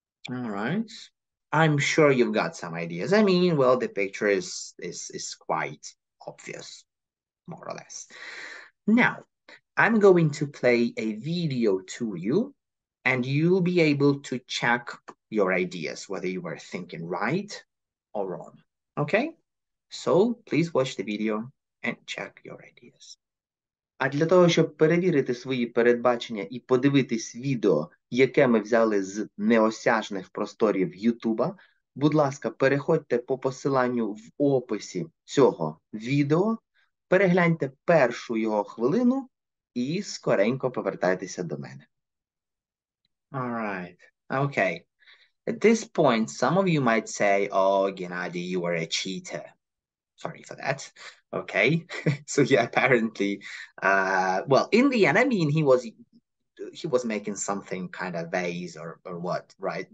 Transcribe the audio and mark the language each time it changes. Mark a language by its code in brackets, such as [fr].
[en] All right. I'm sure you've got some ideas. I mean, well, the picture is quite obvious, more or less. Now, I'm going to play a video to you, and you'll be able to check your ideas, whether you were thinking right or wrong. Okay? So please watch the video and check your ideas. [uk] А для того, щоб перевірити свої передбачення і подивитись відео, яке ми взяли з неосяжних просторів Ютуба, будь ласка, переходьте по посиланню в описі цього відео, перегляньте першу його хвилину і скоренько повертайтеся до мене. [en] All right. Okay. At this point, some of you might say, oh, Геннадій, you are a cheater. Sorry for that. Okay. So yeah, apparently, well, in the end, I mean, he was making something kind of vase or what, right?